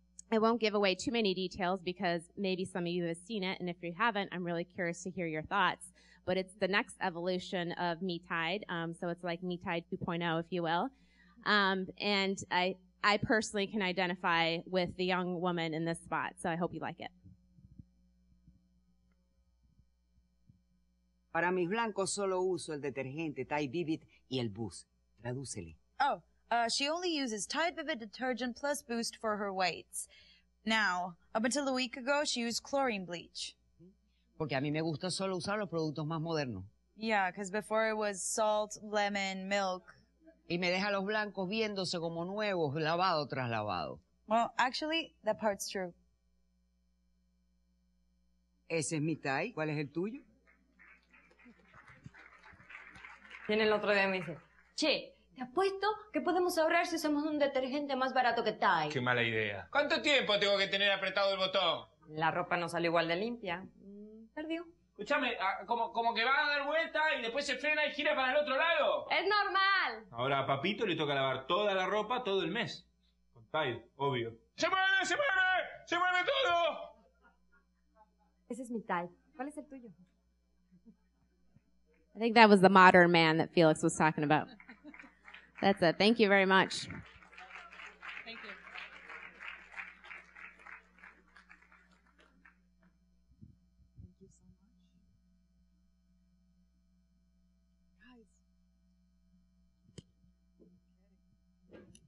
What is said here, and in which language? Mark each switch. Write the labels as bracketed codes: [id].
[en] I won't give away too many details because maybe some of you have seen it, and if you haven't, I'm really curious to hear your thoughts. But it's the next evolution of Me Tide, so it's like Me Tide 2.0, if you will. And I personally can identify with the young woman in this spot, so I hope you like it. [es] Para mis blancos solo uso el detergente Tide Vivid y el Boost. Tradúcele. [en] Oh. She only uses Tide Vivid detergent plus Boost for her whites. Now, up until a week ago, she used chlorine bleach. [es] Porque a mí me gusta solo usar los productos más modernos. [en] Yeah, because before it was salt, lemon, milk. [es] Y me deja los blancos viéndose como nuevos, lavado tras lavado. [en] Well, actually, that part's true. [es] Ese es mi Tide. ¿Cuál es el tuyo? Viene el otro día y me dice, che, te apuesto que podemos ahorrar si usamos un detergente más barato que Tide. Qué mala idea. ¿Cuánto tiempo tengo que tener apretado el botón? La ropa no sale igual de limpia. Perdió. Escúchame, ¿como que va a dar vuelta y después se frena y gira para el otro lado? ¡Es normal! Ahora a papito le toca lavar toda la ropa todo el mes. Con Tide, obvio. ¡Se mueve, se mueve! ¡Se mueve todo! Ese es mi Tide. ¿Cuál es el tuyo? [en] I think that was the modern man that Felix was talking about. That's it. Thank you very much. Thank you. Thank you so much.